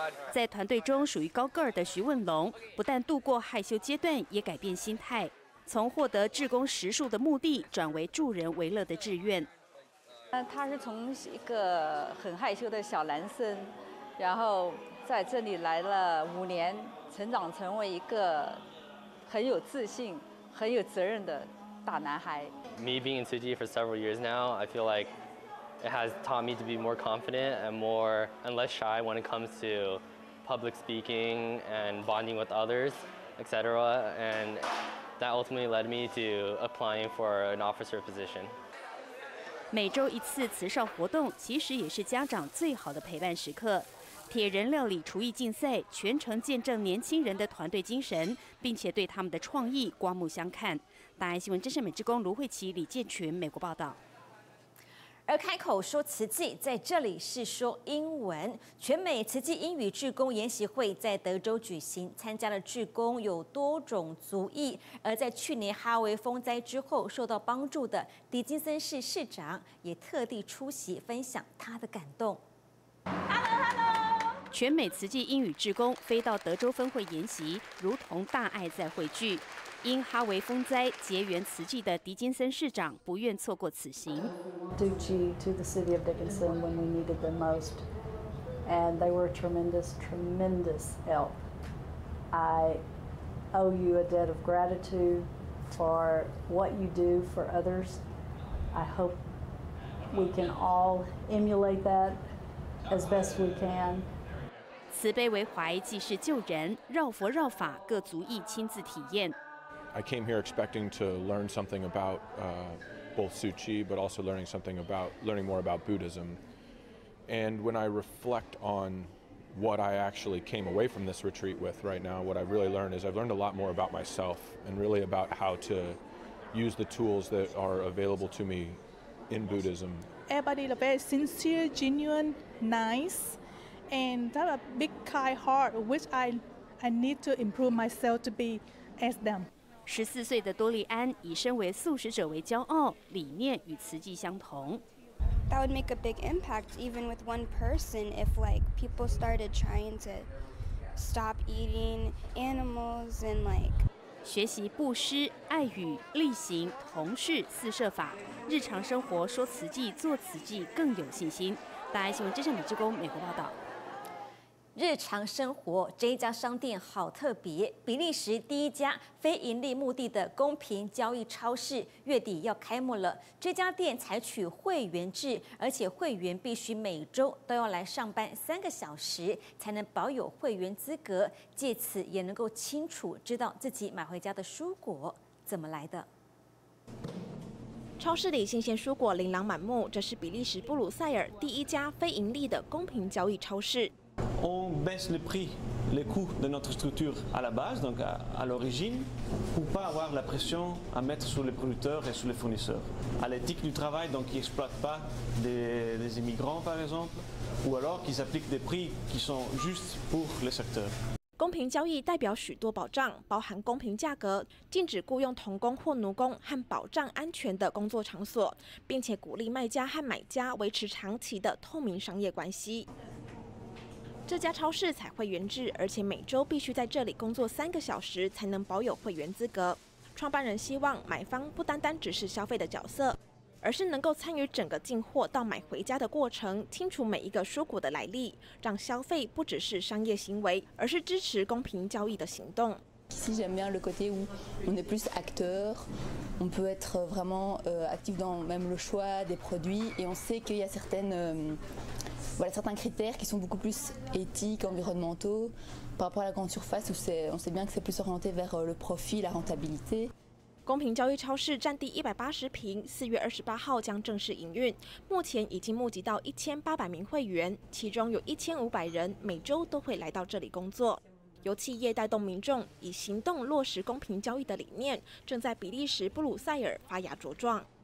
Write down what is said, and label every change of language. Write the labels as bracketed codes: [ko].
[zh] 在团队中属于高个儿的徐文龙，不但度过害羞阶段，也改变心态，从获得志工食宿的目的转为助人为乐的志愿。他是从一个很害羞的小男生，然后在这里来了五年，成长成为一个很有自信、很有责任的大男孩。 [en] Me being in CG for several years now, I feel like it has taught me to be more confident and more and less shy when it comes to public speaking and bonding with others, etc. And that ultimately led me to applying for an officer position. [zh] 每周一次慈少活动，其实也是家长最好的陪伴时刻。铁人料理厨艺竞赛全程见证年轻人的团队精神，并且对他们的创意刮目相看。大爱新闻真善美志工卢慧琪、李建群美国报道。而开口说慈济，在这里是说英文。全美慈济英语志工研习会在德州举行，参加的志工有多种族裔。而在去年哈维风灾之后受到帮助的迪金森市市长也特地出席分享他的感动。 [en] Hello，Hello！ [zh] 全美慈济英语志工飞到德州分会研习，如同大爱在汇聚。因哈维风灾结缘慈济的迪金森市长不愿错过此行。 [en] Duchi to the city of Dickinson when we needed them most, and they were a tremendous, tremendous help. I owe you a debt of gratitude for what you do for others. I hope we can all emulate that as best we can. [zh] 慈悲为怀，既是救人，绕佛绕法，各族裔亲自体验。 [en] I came here expecting to learn something about both Su Chi, but also learning more about Buddhism. And when I reflect on what I actually came away from this retreat with right now, what I've really learned is I've learned a lot more about myself and really about how to use the tools that are available to me in Buddhism. Everybody is very sincere, genuine, nice, and have a big kind heart, which I need to improve myself to be as them. [zh] 十四岁的多利安以身为素食者为骄傲，理念与慈济相同。 [en] That would make a big impact, even with one person. If like people started trying to stop eating animals and like. [zh] 学习布施、爱语、力行、同事、四摄法，日常生活说慈济、做慈济更有信心。大爱新闻真善美之工美国报道。日常生活这一家商店好特别，比利时第一家非盈利目的的公平交易超市月底要开幕了。这家店采取会员制，而且会员必须每周都要来上班3个小时才能保有会员资格，借此也能够清楚知道自己买回家的蔬果怎么来的。超市里新鲜蔬果琳琅满目，这是比利时布鲁塞尔第一家非盈利的公平交易超市。 [fr] On baisse le prix, les coûts de notre structure à la base, donc à l'origine, pour ne pas avoir la pression à mettre sur les producteurs et sur les fournisseurs. À l'éthique du travail, donc qui n'exploitent pas des immigrants par exemple, ou alors qui s'appliquent des prix qui sont justes pour le secteur. [zh] 公平交易代表许多保障，包含公平价格、禁止雇用童工或奴工和保障安全的工作场所，并且鼓励卖家和买家维持长期的透明商业关系。这家超市采会员制，而且每周必须在这里工作3个小时才能保有会员资格。创办人希望买方不单单只是消费的角色，而是能够参与整个进货到买回家的过程，清楚每一个蔬果的来历，让消费不只是商业行为，而是支持公平交易的行动。 [fr] Ici, j'aime bien le côté où on est plus acteur. On peut être vraiment actif dans même le choix des produits, et on sait qu'il y a certains critères qui sont beaucoup plus éthiques, environnementaux, par rapport à la grande surface où on sait bien que c'est plus orienté vers le profit, la rentabilité. [zh] 公平交易超市占地180坪，4月28号将正式营运。目前已经募集到1800名会员，其中有1500人每周都会来到这里工作。由企业带动民众，以行动落实公平交易的理念，正在比利时布鲁塞尔发芽茁壮。